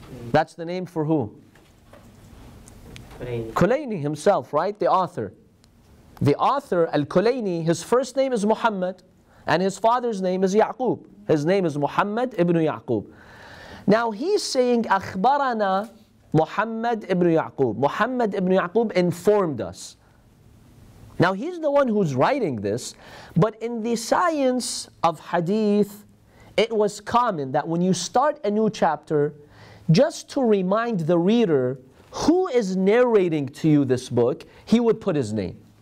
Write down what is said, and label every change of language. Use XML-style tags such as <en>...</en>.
<en>That's the name for who? Kulayni himself, right? The author. The author, Al-Kulayni, his first name is Muhammad, and his father's name is Ya'qub. His name is Muhammad ibn Ya'qub. Now he's saying,</en> <ar>أخبرنا محمد ابن يعقوب.</ar> <en>Muhammad ibn Ya'qub informed us. Now he's the one who's writing this, but in the science of hadith, it was common that when you start a new chapter, just to remind the reader who is narrating to you this book, he would put his name.</en>